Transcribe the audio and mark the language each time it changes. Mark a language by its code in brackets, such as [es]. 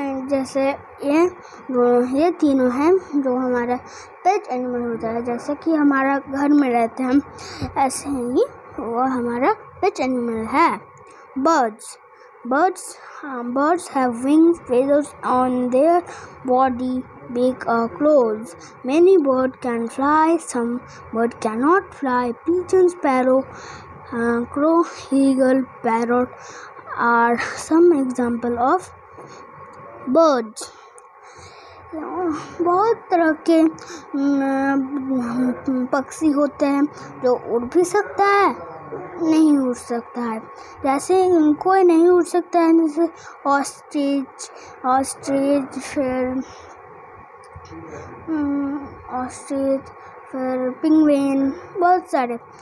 [hi] जैसे ये तीनों हैं जो हमारा pet animal होता है। जैसे कि हमारा घर में रहते हैं ऐसे ही वो हमारा pet animal है। [en] Birds have wings, feathers on their body, beak or claws. Many birds can fly, some birds cannot fly. Pigeon, sparrow, crow, eagle, parrot are some example of birds. [hi] बहुत तरह के पक्षी होते हैं जो उड़ भी सकता है, नहीं उड़ सकता है। जैसे कोई नहीं उड़ सकता है जैसे ऑस्ट्रिच फिर पिंगवेन बहुत सारे।